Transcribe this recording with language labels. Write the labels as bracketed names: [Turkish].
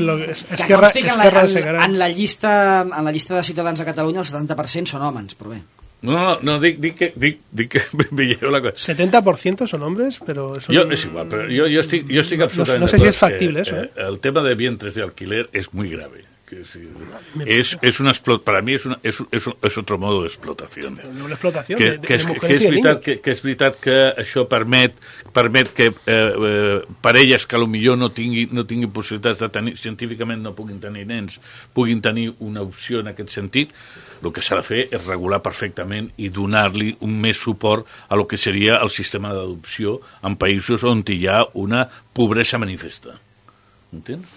[Catalan] la llista, en la llista de Ciutadans a Catalunya el 70% són homes, però bé. No, dic que veieu la cosa. 70% són homes, però... És igual, però jo estic absolutament... No sé si és factible, això. [Spanish] El tema de vientres de alquiler és muy grave. Es una explotación, para mí es otro modo de explotación. Una explotación que es vital que [Catalan] això permet que parelles que a lo millor no tinguin possibilitats de tenir, científicament no puguin tenir nens, puguin tenir una opció en aquest sentit. El que s'ha de fer és regular perfectament i donar-li un més suport a lo que seria el sistema d'adopció en països on hi ha una pobresa manifesta. [Spanish] ¿Entiendes?